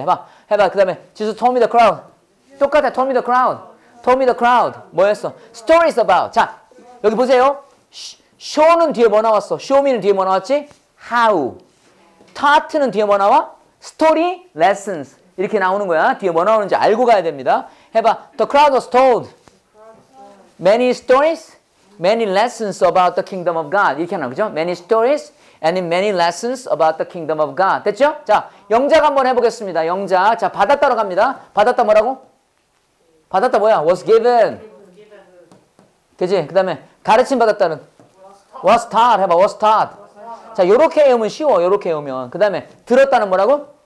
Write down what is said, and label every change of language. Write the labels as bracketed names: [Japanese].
[Korean] 해봐. 그 다음에, [English] Jesus told me the crowd. 똑같아, told me the crowd. Told me the crowd. 뭐였어? Stories about. [Korean] 자, 여기 보세요. Show는 뒤에 뭐 나왔어? Show me는 뒤에 뭐 나왔지? How. Taught는 뒤에 뭐 나와? Story, lessons. 이렇게 나오는 거야. 뒤에 뭐 나오는지 알고 가야 됩니다. [English] 해봐. The crowd was told. Many stories, many lessons about the kingdom of God. [Korean] 이렇게 하나, 그죠? [English] Many stories and many lessons about the kingdom of God. [Korean] 됐죠? 자, 영작 한번 해보겠습니다. 영작. 자, 받았다로 갑니다. 받았다 뭐라고? 받았다 뭐야? [English] Was given. [Korean] 그지? 그 다음에 가르침 받았다는? Was taught. 해봐. Was taught. 자, 요렇게 외우면 쉬워. 요렇게 외우면. 그 다음에 들었다는 뭐라고?